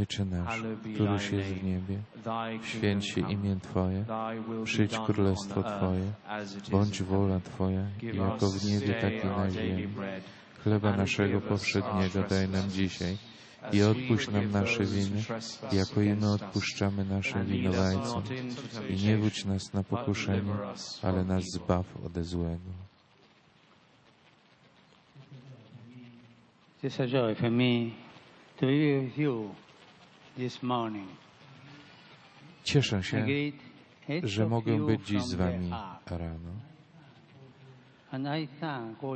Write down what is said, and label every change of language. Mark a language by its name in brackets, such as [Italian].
[Polish] Ojcze nasz, któryś jest w niebie, święć się imię Twoje, przyjdź królestwo Twoje, bądź wola Twoja, jako w niebie, tak i na ziemi. Chleba naszego powszedniego daj nam dzisiaj i odpuść nam nasze winy, jako i my odpuszczamy naszym winowajcom. I nie wódź nas na pokuszenie, ale nas zbaw ode złego. [English] It's a joy for me to be with you this morning. [Polish] Cieszę się, że mogę być dziś z wami rano.